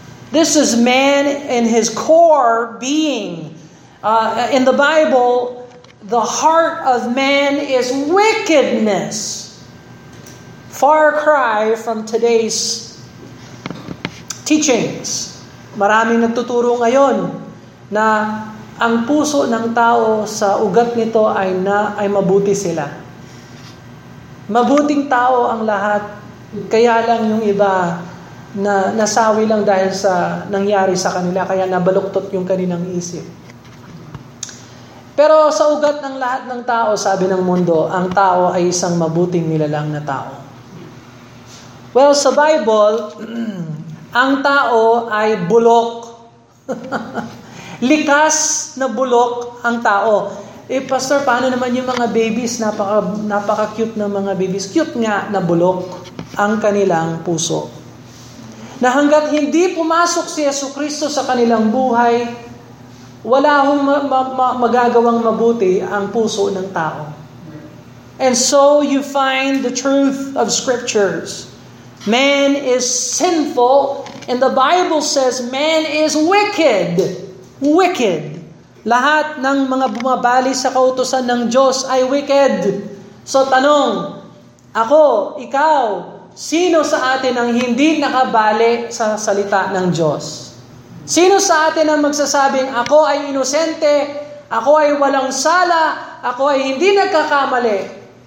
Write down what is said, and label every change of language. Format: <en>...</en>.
<en>This is man in his core being. In the Bible, the heart of man is wickedness. Far cry from today's teachings.</en> <tl>Maraming nagtuturo ngayon na ang puso ng tao sa ugat nito ay mabuti sila. Mabuting tao ang lahat, kaya lang yung iba na nasawi lang dahil sa nangyari sa kanila, kaya nabaluktot yung kanilang isip. Pero sa ugat ng lahat ng tao, sabi ng mundo, ang tao ay isang mabuting nilalang na tao. Well, sa Bible, ang tao ay bulok. Likas na bulok ang tao. Eh, Pastor, paano naman yung mga babies? Napaka-cute ng mga babies. Cute nga na bulok ang kanilang puso. Na hanggat hindi pumasok si Jesucristo sa kanilang buhay, wala hong magagawang mabuti ang puso ng tao.</tl> <en>And so you find the truth of scriptures. Man is sinful, and the Bible says man is wicked. Wicked.</en> <tl>Lahat ng mga bumabali sa kautusan ng Diyos ay wicked. So tanong, ako, ikaw, sino sa atin ang hindi nakabali sa salita ng Diyos? Sino sa atin ang magsasabing, ako ay inosente, ako ay walang sala, ako ay hindi nagkakamali?</tl>